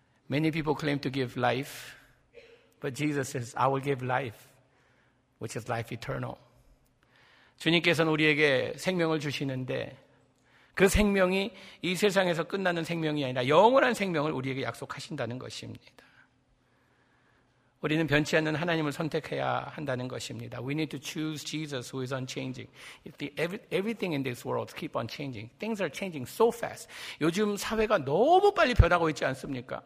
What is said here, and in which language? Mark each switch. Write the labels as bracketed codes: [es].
[en] Many people claim to give life, but Jesus says, I will give life, which is life eternal. [ko] 주님께서는 우리에게 생명을 주시는데 그 생명이 이 세상에서 끝나는 생명이 아니라 영원한 생명을 우리에게 약속하신다는 것입니다. 우리는 변치 않는 하나님을 선택해야 한다는 것입니다. [en] We need to choose Jesus who is unchanging. Everything in this world keeps on changing. Things are changing so fast. [ko] 요즘 사회가 너무 빨리 변하고 있지 않습니까?